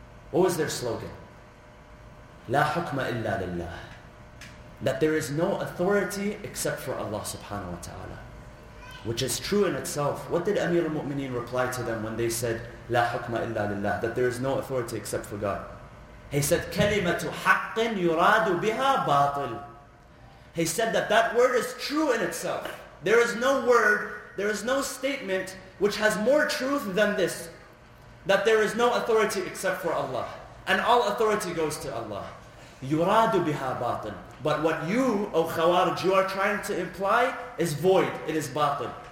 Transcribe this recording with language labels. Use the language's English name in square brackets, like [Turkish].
[English] What was their slogan? [Arabic] La hukma illa lillah. [English] That there is no authority except for Allah subhanahu wa ta'ala. Which is true in itself. What did Amir al-Mu'mineen reply to them when they said, [Arabic] La hukma illa lillah, [English] that there is no authority except for God? He said, [Arabic] كَلِمَةُ حَقٍ يُرَادُ بِهَا بَاطِلٌ. [English] He said that word is true in itself. There is no word, there is no statement which has more truth than this. That there is no authority except for Allah. And all authority goes to Allah. [Arabic] يُرَادُ بِهَا بَاطِلٌ. [English] But what you, O Khawarij, you are trying to imply is void, it is batil.